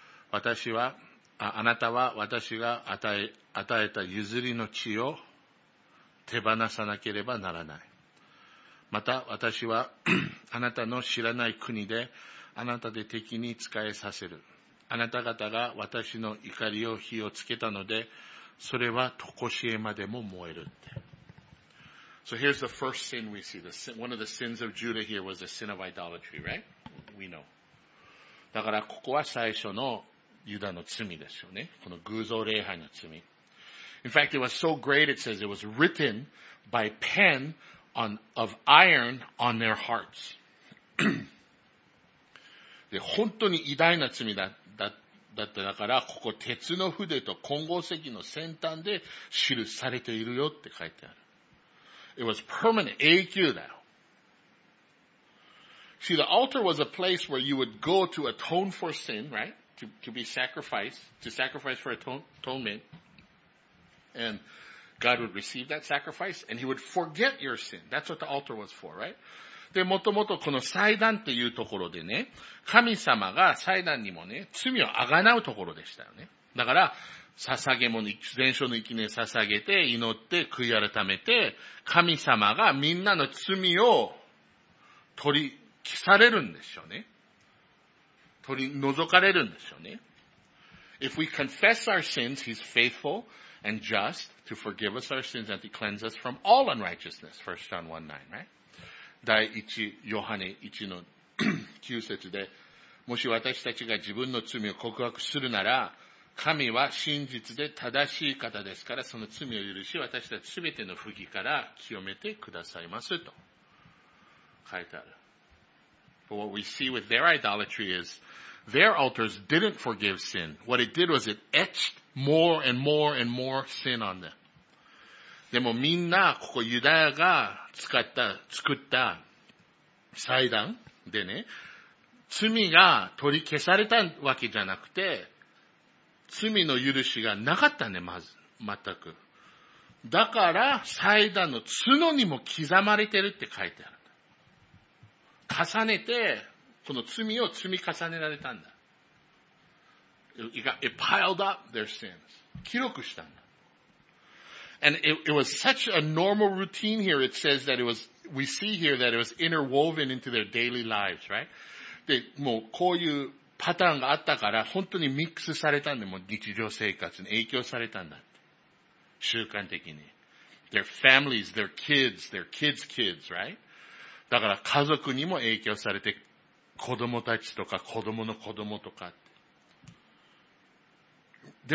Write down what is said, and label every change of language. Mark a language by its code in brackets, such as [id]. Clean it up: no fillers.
[ja] 私は、あなたは私が与えた譲りの地を手放さなければならない。また私はあなたの知らない国であなたで敵に仕えさせる。あなた方が私の怒りを火をつけたので、それはとこしえまでも燃えるって。 [en] So here's the first sin we see. One of the sins of Judah here was the sin of idolatry, right? We know. [ja] だからここは最初のユダの罪ですよね。この偶像礼拝の罪。 [en] In fact, it was so great, it says it was written by pen of iron on their hearts. [ja] で、本当に偉大な罪だったから、ここ鉄の筆と金剛石の先端で記されているよって書いてある。 [en] It was permanent, [ja] 永久だよ。 [en] See, the altar was a place where you would go to atone for sin, right? To sacrifice for atonement. And God would receive that sacrifice, and he would forget your sin. That's what the altar was for, right? [ja] で、もともとこの祭壇っていうところでね、神様が祭壇にもね、罪をあがなうところでしたよね。だから、捧げ物、全焼の生贄を捧げて、祈って、悔い改めて、神様がみんなの罪を取り消されるんですよね。取り除かれるんですよね。 [en] If we confess our sins, he's faithful and just to forgive us our sins and to cleanse us from all unrighteousness. 1 John 1:9, right? [ja] 第1、ヨハネ1の9節で、もし私たちが自分の罪を告白するなら、神は真実で正しい方ですから、その罪を許し、私たちすべての不義から清めてくださいます、と書いてある。 [en] But what we see with their idolatry is, their altars didn't forgive sin. What it did was it etched more and more and more sin on them. [ja] でもみんな、ここユダヤが作った祭壇でね、罪が取り消されたわけじゃなくて、罪の許しがなかったね、まず、全く。だから、祭壇の角にも刻まれてるって書いてある。重ねて、この罪を積み重ねられたんだ。 [en] It piled up their sins. [ja] 記録したんだ。 [en] And it was such a normal routine here, it says that it was, we see here that it was interwoven into their daily lives, right? [ja] で、もうこういうパターンがあったから、本当にミックスされたんで、もう日常生活に影響されたんだって。習慣的に。 [en] Their families, their kids, their kids' kids, right? [ja] だから家族にも影響されて、子供たちとか子供の子供とかって。